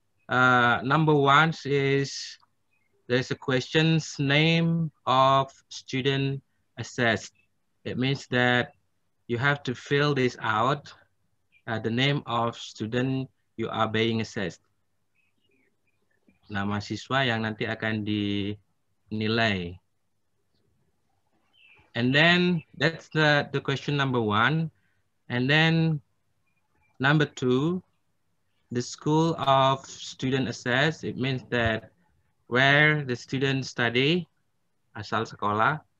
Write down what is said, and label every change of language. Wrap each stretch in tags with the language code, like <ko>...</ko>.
<en>Number one is there's a question's name of student assessed. It means that you have to fill this out, the name of student you are being assessed.</en> <id>Nama siswa yang nanti akan dinilai.</id> <en>And then that's the question number one. And then number two, the school of student access, it means that where the students study,</en> <id>asal sekolah.</id>